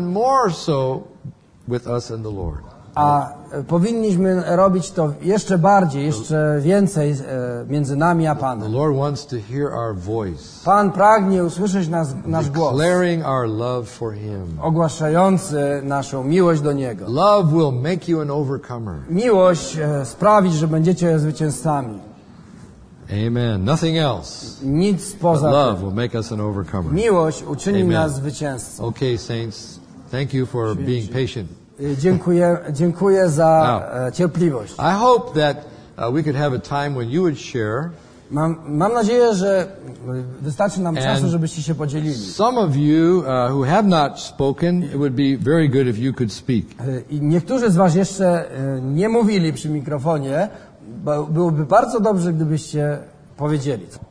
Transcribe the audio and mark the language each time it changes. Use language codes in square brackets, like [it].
[en] Even more so with us and the Lord. [pl] A powinniśmy robić to jeszcze bardziej, jeszcze więcej między nami a Panem. [en] The Lord wants to hear our voice. [pl] Pan pragnie usłyszeć nasz głos. [en] Declaring our love for Him. [pl] Ogłaszający naszą miłość do Niego. [en] Love will make you an overcomer. [pl] Miłość sprawi, że będziecie zwycięzcami. [en] Amen. Nothing else. [pl] Nic poza tym. [en] Love will make us an overcomer. [pl] Miłość uczyni nas zwycięzcą. [en] Okay, saints. Thank you for being patient. [pl] Dziękuję za cierpliwość. [en] I hope that we could have a time when you would share. [pl] Mam nadzieję, że wystarczy nam czasu, żebyście się podzielili. [en] Some of you who have not spoken, it would be very good if you could speak. [pl] I niektórzy z was jeszcze nie mówili przy mikrofonie, byłoby bardzo dobrze, gdybyście powiedzieli.